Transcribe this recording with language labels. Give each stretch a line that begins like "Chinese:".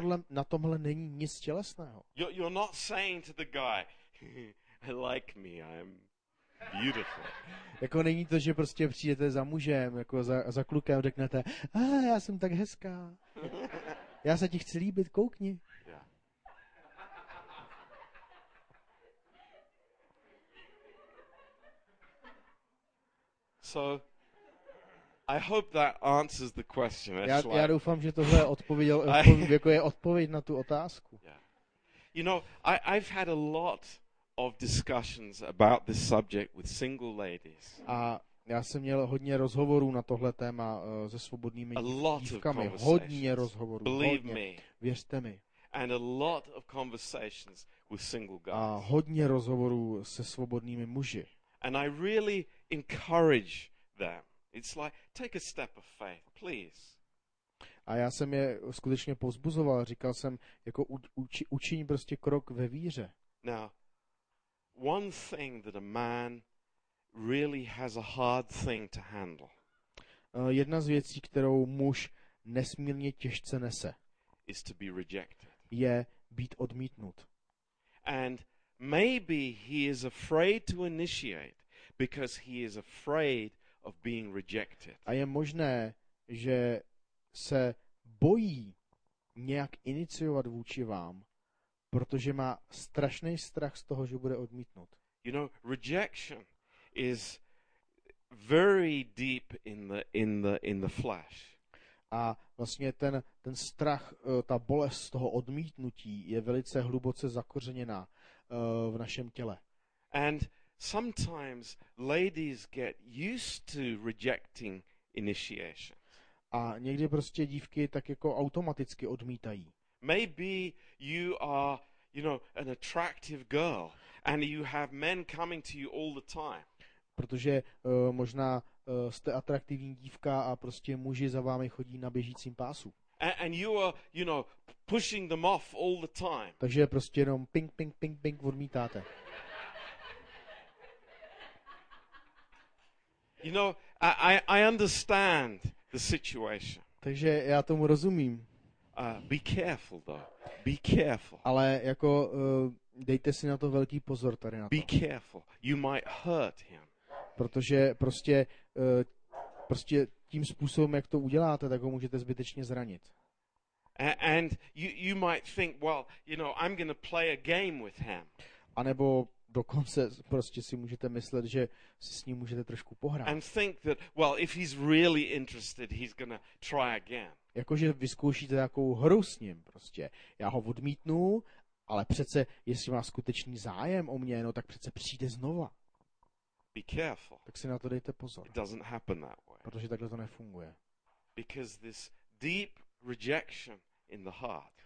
Czech: Na tomhle není nic tělesného.
English: You're not saying to the guy, I like me, I'm beautiful.
Czech: Jako není to, že prostě přijdete za mužem, jako za klukem, řeknete, já jsem tak hezká. Já se ti chci líbit, koukni. Yeah.
English: So, I hope that answers the question.
Czech: Já doufám, že tohle je odpověď na tu otázku. Yeah.
English: You know, I've had a lot of discussions about this subject with single ladies.
Czech: A já jsem měl hodně rozhovorů na tohle téma se svobodnými dívkami. Hodně rozhovorů.
English: Believe
Czech: hodně.
English: Me.
Czech: Věřte mi.
English: And a lot of conversations with single guys.
Czech: A hodně rozhovorů se svobodnými muži.
English: And I really encourage them. It's like take a step of faith, please.
Czech: A já jsem je skutečně povzbuzoval, říkal jsem jako učiň prostě krok ve víře.
English: Now, one thing that a man really has a hard thing to handle.
Czech: Jedna z věcí, kterou muž nesmírně těžce nese,
English: is to be rejected.
Czech: Je být odmítnut.
English: And Maybe he is afraid to initiate because he is afraid of being rejected.
Czech: A je možné, že se bojí nějak iniciovat vůči vám, protože má strašný strach z toho, že bude odmítnut.
English: You know, rejection is very deep in the flesh.
Czech: A vlastně ten strach, ta bolest z toho odmítnutí je velice hluboce zakořeněná v našem těle.
English: And sometimes ladies get used to rejecting initiation.
Czech: A někdy prostě dívky tak jako automaticky odmítají.
English: Maybe you are, you know, an attractive girl and you have men coming to you all the time.
Czech: Protože možná jste atraktivní dívka a prostě muži za vámi chodí na běžícím pásu.
English: And you are, you know, pushing them off all the time.
Czech: Takže prostě jenom ping ping ping ping odmítáte.
English: You know, I understand the situation.
Czech: Takže já tomu rozumím.
English: Be careful though. Be careful.
Czech: Ale jako dejte si na to velký pozor tady na to.
English: Be careful. You might hurt him.
Czech: Protože prostě prostě tím způsobem, jak to uděláte, tak ho můžete zbytečně zranit.
English: And you might think, well, you know, I'm going to play a game with him.
Czech: A nebo dokonce prostě si můžete myslet, že si s ním můžete trošku pohrát.
English: And think that, well, if he's really interested, he's going to try again.
Czech: Jakože vyzkoušíte takovou hru s ním prostě. Já ho odmítnu, ale přece, jestli má skutečný zájem o mě, no tak přece přijde znova.
English: Be careful.
Czech: Tak si na to dejte pozor.
English: It doesn't happen that way.
Czech: Protože takhle to nefunguje.
English: Because this deep rejection in the heart.